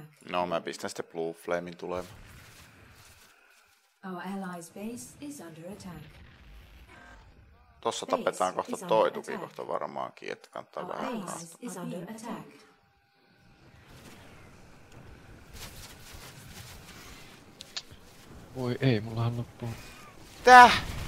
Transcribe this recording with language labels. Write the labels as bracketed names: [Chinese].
[Finnish] No, mä pistän sitten Blue Flamein tulemaan. [English] Our allies base is under attack. [Finnish] Tossa tapetaan kohta toi tukikohta varmaankin, että kannattaa vähän haastaa. Voi ei, mullahan loppuu. Täh!